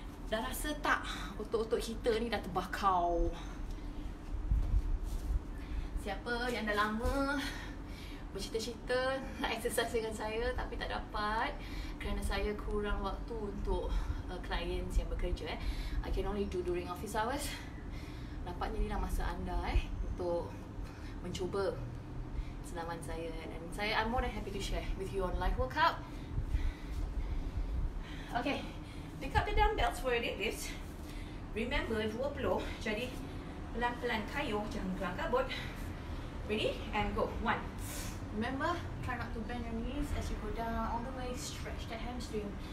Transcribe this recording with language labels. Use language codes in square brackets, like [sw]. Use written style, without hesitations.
[ms] Dah rasa tak otot-otot kita ni dah terbakau? Siapa yang dah lama bercita-cita nak exercise dengan saya tapi tak dapat kerana saya kurang waktu untuk clients yang bekerja, eh? [en] I can only do during office hours. [ms] Dapatnya inilah masa anda, eh, untuk mencuba senaman saya. [en] And saya, I'm more than happy to share with you on live workout. Okay, pick up the dumbbells for your deadlifts. Remember, 20. Jadi [ms] Pelan-pelan kayu, jangan kelangkabut. [en] Ready? And go. One. Remember, try not to bend your knees as you go down. All the way, stretch that hamstring.